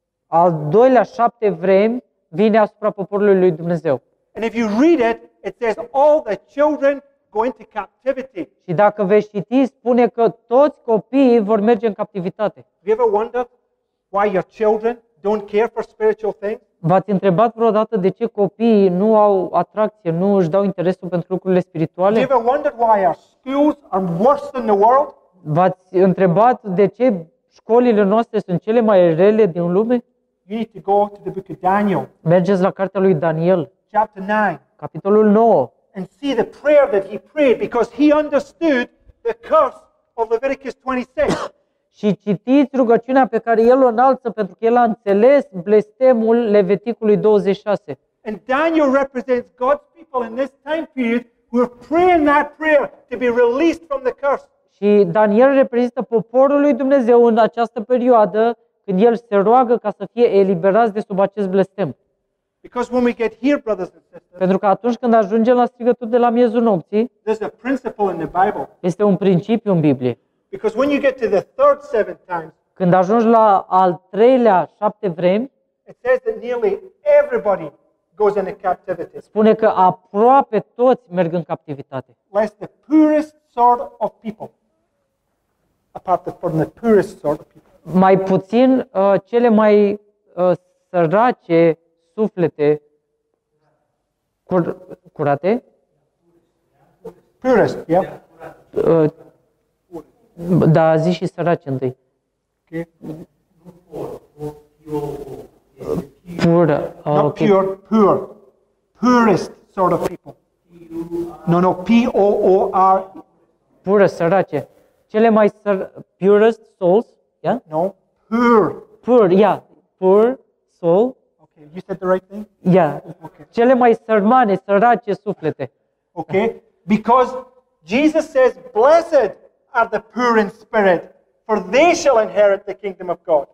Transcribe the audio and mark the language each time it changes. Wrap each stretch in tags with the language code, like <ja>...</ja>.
<ro>Al doilea șapte vremi vine asupra poporului lui Dumnezeu.</ro> <en>And if you read it, it says all the children go into captivity.</en> <ro>Și dacă vei citi, spune că toți copiii vor merge în captivitate.</ro> <en>Have you ever wondered why your children don't care for spiritual things?</en> <ro>V-ați întrebat vreodată de ce copiii nu au atracție, nu își dau interesul pentru lucrurile spirituale?</ro> <en>Have you ever wondered why our schools are worse than the world?</en> <ro>V-ați întrebat de ce școlile noastre sunt cele mai rele din lume?</ro> <en>You need to go to the book of Daniel.</en> <ro>Mergeți la cartea lui Daniel.</ro> <en>Chapter 9.</en> <ro>Capitolul 9.</ro> <en>And see the prayer that he prayed because he understood the curse of Leviticus 26.</en> <ro>Și citiți rugăciunea pe care el o înalță pentru că el a înțeles blestemul Leviticului 26.</ro> <en>And Daniel represents God's people in this time period who are praying that prayer to be released from the curse.</en> <ro>Și Daniel reprezintă poporul lui Dumnezeu în această perioadă când el se roagă ca să fie eliberați de sub acest blestem.</ro> <en>Because when we get here, brothers and sisters,</en> <ro>pentru că atunci când ajungem la strigătul de la miezul nopții,</ro> <en>there's a principle in the Bible.</en> <ro>Este un principiu în Biblie.</ro> <en>Because when you get to the third seven times,</en> <ro>când ajungi la al treilea șapte vremi,</ro> <en>it says that nearly everybody goes into captivity.</en> <ro>Spune că aproape toți merg în captivitate.</ro> <en>Less the poorest sort of people. Apart from the poorest sort of people.</en> <ro>Mai puțin cele mai sărace suflete curate.</ro> <en>Purest, yeah.</en> <ro>Da, zi și săraci întâi. Pur.</ro> <en>Not pure, poor. Purest sort of people. No, P-O-O-R.</en> <ro>Pură, sărace. Cele mai</ro> <en>purest souls, yeah? No, poor. Poor, yeah. Poor soul. Okay, you said the right thing? Yeah. Okay.</en> <ro>Cele mai sărmane, sărace suflete.</ro> <en>Okay, because Jesus says, blessed are the poor in spirit, for they shall inherit the kingdom of God.</en>